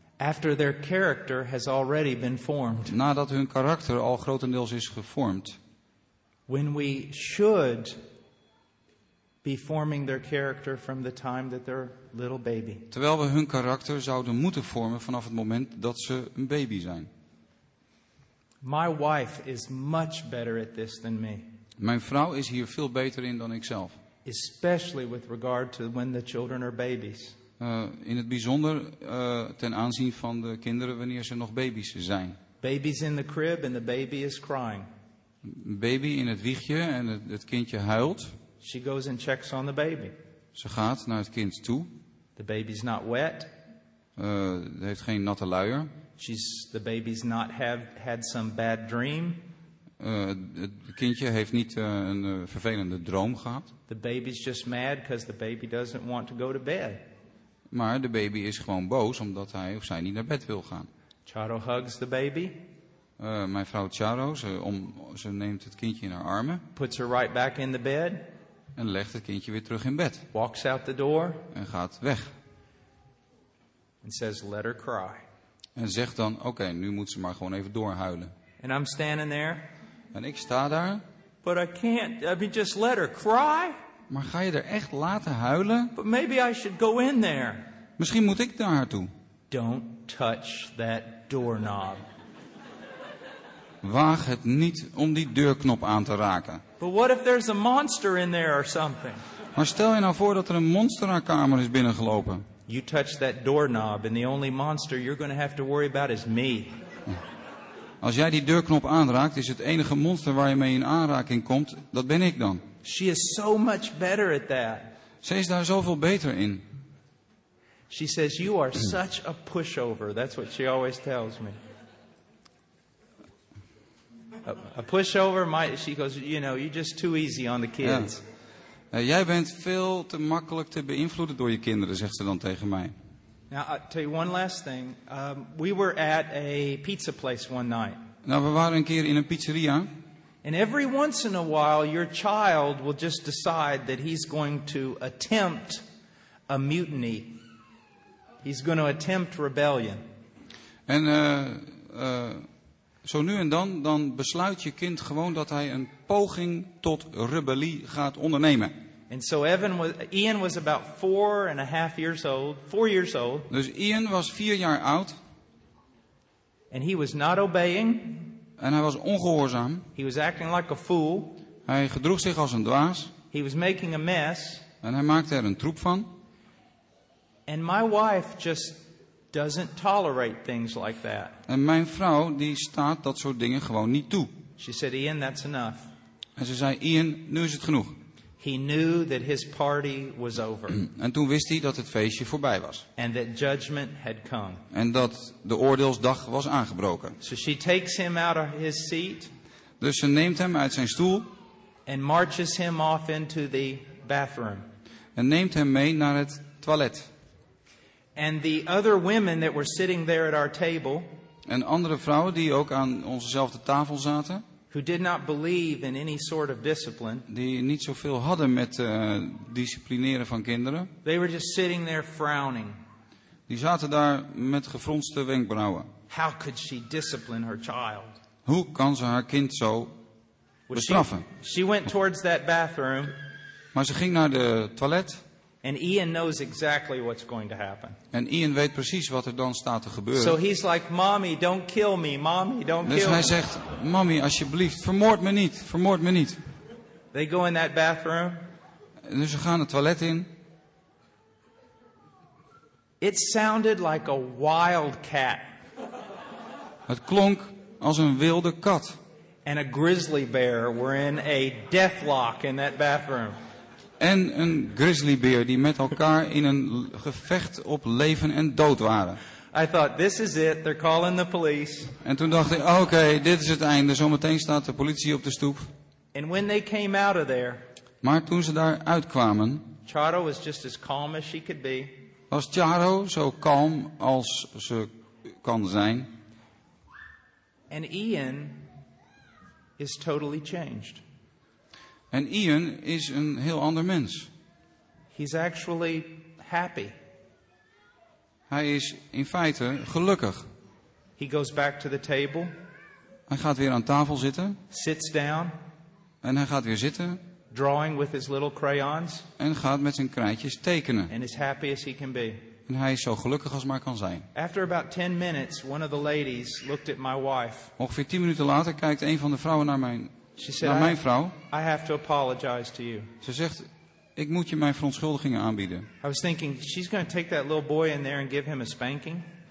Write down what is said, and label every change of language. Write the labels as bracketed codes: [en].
[en] After their character has already been formed. [nl] Nadat hun karakter al grotendeels is gevormd. [en] When we should be forming their character from the time that they're little baby. [nl] Terwijl we hun karakter zouden moeten vormen vanaf het moment dat ze een baby zijn. [en] My wife is much better at this than me. [nl] Mijn vrouw is hier veel beter in dan ikzelf. [en] Especially with regard to when the children are babies. [nl] In het bijzonder ten aanzien van de kinderen wanneer ze nog baby's zijn. [en] Babies in the crib and the baby is crying. [nl] Baby in het wiegje en het kindje huilt. [en] She goes and checks on the baby. [nl] Ze gaat naar het kind toe. [en] The baby's not wet. [nl] Heeft geen natte luier. [en] The baby's not had some bad dream. [nl] Het kindje heeft niet een vervelende droom gehad. [en] The baby's just mad because the baby doesn't want to go to bed. [nl] Maar de baby is gewoon boos omdat hij of zij niet naar bed wil gaan. [en] Charo hugs the baby. [nl] Mijn vrouw Charo, ze neemt het kindje in haar armen. [en] Puts her right back in the bed. [nl] En legt het kindje weer terug in bed. [en] Walks out the door. [nl] En gaat weg. [en] And says, let her cry. [nl] En zegt dan, oké, nu moet ze maar gewoon even doorhuilen. [en] And I'm standing there. [nl] En ik sta daar. [en] But I can't. I mean, just let her cry. [nl] Maar ga je er echt laten huilen? [en] But maybe I should go in there. [nl] Misschien moet ik naar haar toe. [en] Don't touch that doorknob. [nl] Waag het niet om die deurknop aan te raken. [en] But what if there's a monster in there or something? [nl] Maar stel je nou voor dat er een monster naar kamer is binnengelopen. [en] You touch that doorknob and the only monster you're going to have to worry about is me. [nl] Als jij die deurknop aanraakt, is het enige monster waar je mee in aanraking komt, dat ben ik dan. [en] She is so much better at that. [nl] Ze is daar zoveel beter in. [en] She says you are such a pushover. That's what she always tells me. A pushover, she goes, you know, you're just too easy on the kids. [nl] Ja. Jij bent veel te makkelijk te beïnvloeden door je kinderen, zegt ze dan tegen mij. [en] Now, I'll tell you one last thing. We were at a pizza place one night. [nl] Nou, we waren een keer in een pizzeria. [en] And every once in a while, your child will just decide that he's going to attempt a mutiny. He's going to attempt rebellion. [nl] En Zo nu en dan, dan besluit je kind gewoon dat hij een poging tot rebellie gaat ondernemen. [en] And so Evan was, Ian was about 4.5 years old, 4 years old. [nl] Dus Ian was 4 jaar oud. [en] And he was not obeying. [nl] En hij was ongehoorzaam. [en] He was acting like a fool. [nl] Hij gedroeg zich als een dwaas. [en] He was making a mess. [nl] En hij maakte er een troep van. [en] And my wife just doesn't tolerate things like that. [nl] En mijn vrouw die staat dat soort dingen gewoon niet toe. [en] She said, Ian, that's enough. [nl] En ze zei, Ian, nu is het genoeg. [en] He knew that his party was over. [nl] En toen wist hij dat het feestje voorbij was. [en] And that judgment had come. [nl] En dat de oordeelsdag was aangebroken. [en] So she takes him out of his seat. [nl] Dus ze neemt hem uit zijn stoel. [en] And marches him off into the bathroom. [nl] En neemt hem mee naar het toilet. [en] And the other women that were sitting there at our table. [nl] En andere vrouwen die ook aan onzezelfde tafel zaten. [en] Who did not believe in any sort of discipline. [nl] Die niet zoveel hadden met disciplineren van kinderen. [en] They were just sitting there frowning. [nl] Die zaten daar met gefronste wenkbrauwen. [en] How could she discipline her child? [nl] Hoe kan ze haar kind zo bestraffen? [en] She went towards that bathroom. [nl] Maar ze ging naar de toilet. [en] And Ian knows exactly what's going to happen. [nl] En Ian weet precies wat er dan staat te gebeuren. [en] So he's like, "Mommy, don't kill me. Mommy, don't kill me." [nl] Dus hij zegt: "Mommy, alsjeblieft, vermoord me niet. Vermoord me niet." [en] They go in that bathroom. [nl] En dus ze gaan het toilet in. [en] It sounded like a wild cat. [nl] Het klonk als een wilde kat. [en] And a grizzly bear were in a deathlock in that bathroom. [nl] En een grizzlybeer die met elkaar in een gevecht op leven en dood waren. [en] I thought, this is it. They're calling the police. [nl] En toen dacht ik, okay, dit is het einde. Zometeen staat de politie op de stoep. [en] And when they came out of there, [nl] maar toen ze daar uitkwamen, [en] Charo was just as calm as she could be. [nl] Was Charo zo kalm als ze kan zijn? [en] And Ian is totally changed. [nl] En Ian is een heel ander mens. [en] He's actually happy. [nl] Hij is in feite gelukkig. [en] He goes back to the table. [nl] Hij gaat weer aan tafel zitten. [en] Sits down. [nl] En hij gaat weer zitten. [en] Drawing with his little crayons. [nl] En gaat met zijn krijtjes tekenen. [en] And as happy as he can be. [nl] En hij is zo gelukkig als maar kan zijn. [en] After about 10 minutes, one of the ladies looked at my wife. [nl] Ongeveer 10 minuten later kijkt een van de vrouwen naar mijn [en] She said, [nl] naar mijn vrouw. [en] I have to apologize to you. [nl] Ze zegt, ik moet je mijn verontschuldigingen aanbieden. [en] I was thinking, she's going to take that little boy in there and give him a spanking.